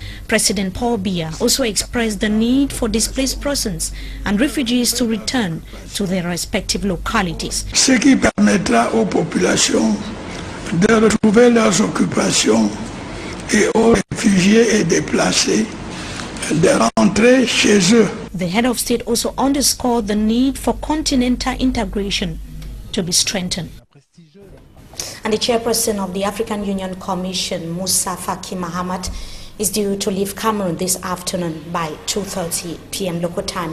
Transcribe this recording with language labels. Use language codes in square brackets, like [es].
[en] President Paul Biya also expressed the need for displaced persons and refugees to return to their respective localities. [fr] Ce qui permettra aux populations de retrouver leurs occupations et aux réfugiés et déplacés de rentrer chez eux. [en] The head of state also underscored the need for continental integration to be strengthened. And the chairperson of the African Union Commission, Moussa Faki Mahamat, is due to leave Cameroon this afternoon by 2:30 p.m. local time.